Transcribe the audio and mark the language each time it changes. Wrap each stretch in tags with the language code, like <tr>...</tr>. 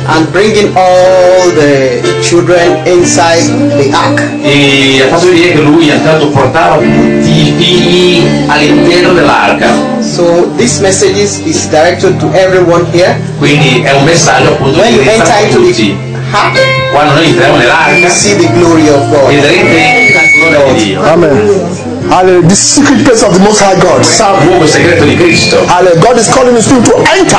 <en>and bringing all the children inside the ark.</en> <it>E ha fatto vedere che lui è stato portato tutti i figli all'interno dell'arca.</it> <en>So this message is directed to everyone here.</en> <it>Quindi è un messaggio appunto.</it> <en>When you enter into the</en> <it>ark, quando noi entriamo nell'arca,</it> <en>you see the glory of God.</en> <it>Vedrete la gloria di Dio.</it> <en>Amen. Hallelujah. The secret place of the Most High God. Hallelujah. God is calling his people to enter.</en>